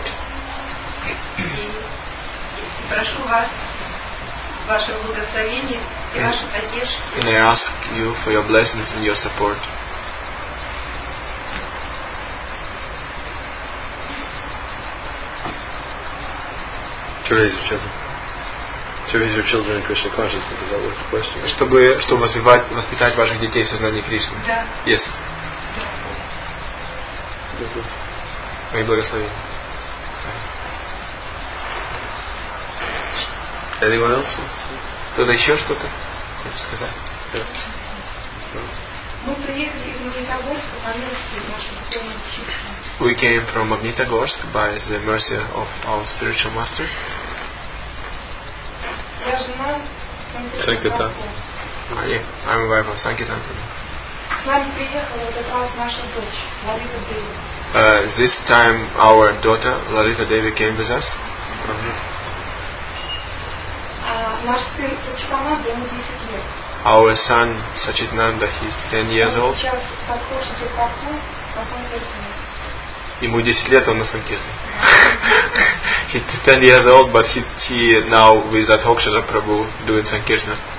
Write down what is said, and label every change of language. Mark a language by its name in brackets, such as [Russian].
[English] And I ask you for your blessings and your support. To raise your children in Krishna consciousness, is that what's the question? [Russian] Чтобы воспитать ваших детей в сознании Кришны. Да. [English] Yes. [Russian] Мои благословения. [English] Anyone else? [Russian] Кто-то еще что-то хочет сказать? Мы приехали из Магнитогорска по милости нашего Господа. [English] We came from Magnitogorsk by the mercy of our spiritual master. Санкита. I'm aware of Санкита. [Russian] К нам приехала как раз наша дочь, Лариса Деви. [English] This time our daughter, Лариса Деви, came with us. [Russian] Наш сын Сачитананда, ему 10 лет. [English] Our son Сачитананда, he's 10 years old. [Russian] Сейчас подходит к папу, потом к сыну. Ему 10 лет, он на санкирте. [English] He's 10 years old, but he now with that Hokshara Prabhu doing sankirtana.